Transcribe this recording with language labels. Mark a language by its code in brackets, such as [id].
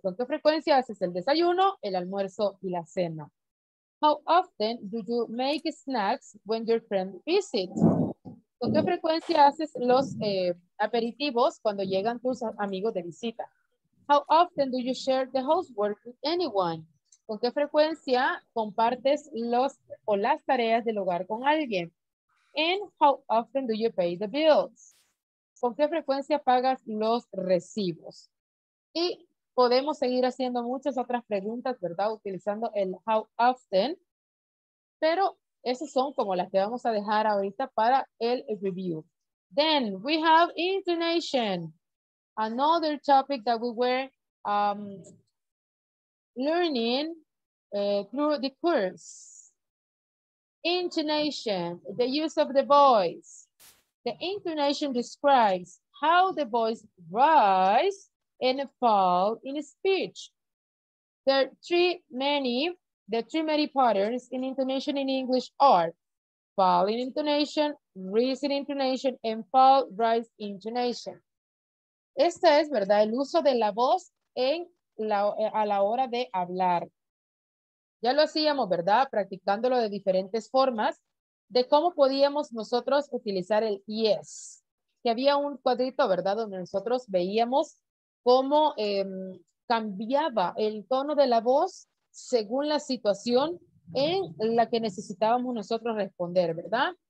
[es] ¿Con qué frecuencia haces el desayuno, el almuerzo y la cena? [en] How often do you make snacks when your friend visits? [es] ¿Con qué frecuencia haces los aperitivos cuando llegan tus amigos de visita? [en] How often do you share the housework with anyone? [es] ¿Con qué frecuencia compartes los o las tareas del hogar con alguien? [en] And how often do you pay the bills? [es] ¿Con qué frecuencia pagas los recibos? Y podemos seguir haciendo muchas otras preguntas, ¿verdad? Utilizando el how often. Pero esas son como las que vamos a dejar ahorita para el review. [en] Then we have intonation. Another topic that we were learning through the course. Intonation, the use of the voice. The intonation describes how the voice rises and falls in speech. There are the three main patterns in intonation in English are falling intonation, rising intonation, and fall rise intonation. [es] Esta es, ¿verdad?, el uso de la voz en la, a la hora de hablar. Ya lo hacíamos, ¿verdad?, practicándolo de diferentes formas, de cómo podíamos nosotros utilizar el yes. Que había un cuadrito, ¿verdad?, donde nosotros veíamos cómo cambiaba el tono de la voz según la situación en la que necesitábamos nosotros responder, ¿verdad?